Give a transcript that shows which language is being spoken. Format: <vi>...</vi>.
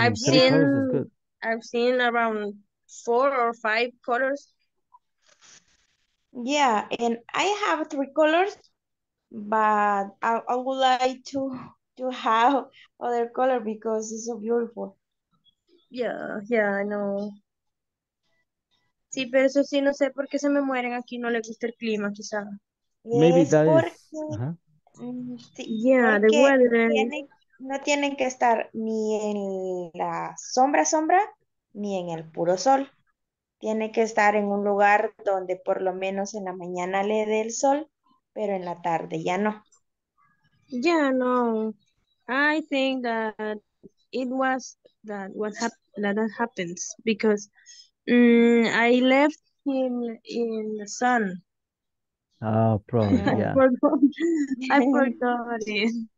<en>I've seen around four or five colors. Yeah, and I have three colors, but I would like to have other color because it's so beautiful. Yeah, I know.</en> <es>Sí, pero eso sí, no sé por qué se me mueren aquí, no le gusta el clima, quizá.</es> <en>Maybe es that</en> <es>porque,</es> <en>is. Uh-huh. Sí, yeah, the weather.</en> <es>No tienen que estar ni en la sombra, ni en el puro sol. Tiene que estar en un lugar donde por lo menos en la mañana le dé el sol, pero en la tarde ya no.</es> <en>Yeah, no. I think that it was that what happens because I left him in the sun. Oh, probably, yeah. I forgot it.</en>